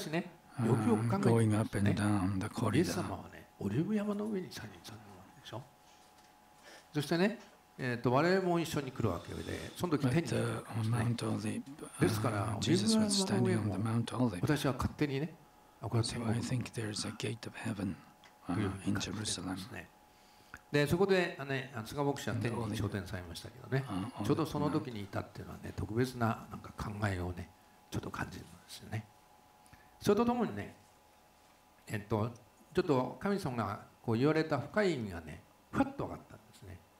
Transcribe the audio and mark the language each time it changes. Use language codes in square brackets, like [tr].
[ja] しかしね、よくよく考えてみてですね、イエス様はね、オリーブ山の上に再臨されるわけでしょ。そしてね、我々も一緒に来るわけで、その時天国に行ったんですね。ですから、オリーブ山の上も、私は勝手にね、 [en] So I think there's a gate of heaven in Jerusalem. [ja] で、そこで、ね、菅牧師は天に昇天されましたけどね、ちょうどその時にいたっていうのはね、特別 なんか考えをね、ちょっと感じるんですよね。それとともにね、ちょっと神様がこう言われた深い意味がね、ふわっと分かったんですね。